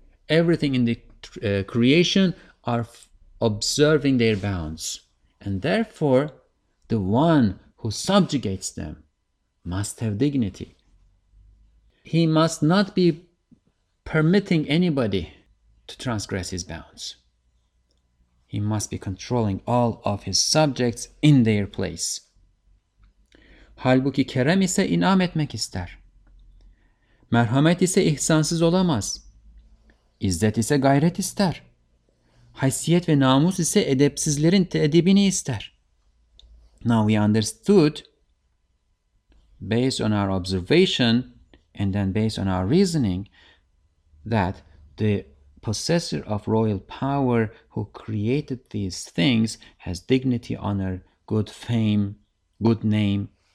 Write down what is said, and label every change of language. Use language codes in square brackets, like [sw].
[en] Everything in the creation are observing their bounds, and therefore the one who subjugates them must have dignity. He must not be permitting anybody to transgress his bounds. He must be controlling all of his subjects in their place. [tr] Halbuki kerem ise inam etmek ister. Merhamet ise ihsansız olamaz. İzzet ise gayret ister. Haysiyet ve namus ise edepsizlerin teedibini ister. [en] Now we understood, based on our observation and then based on our reasoning, that the possessor of royal power who created these things has dignity, honor, good fame, good name.